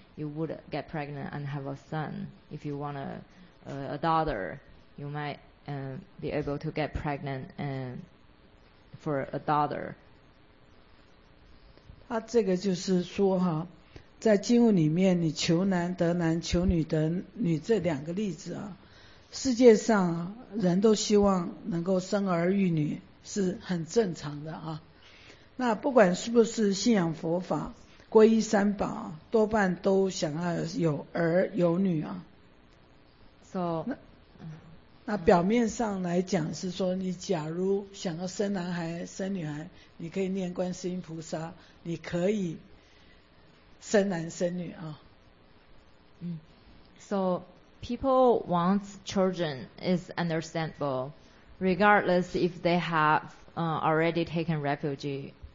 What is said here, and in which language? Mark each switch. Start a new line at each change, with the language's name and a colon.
English: You would get pregnant and have a son. If you want a daughter, you might be able to get pregnant for a daughter.
Chinese: 他这个就是说哈，在经文里面，你求男得男，求女得女这两个例子啊，世界上人都希望能够生儿育女是很正常的啊。那不管是不是信仰佛法。皈依三宝，多半都想要有儿有女啊。
English: So,
Chinese: 那表面上来讲是说，你假如想要生男孩、生女孩，你可以念观世音菩萨，你可以生男生女啊。
English: So people want children is understandable, regardless if they have already taken refuge.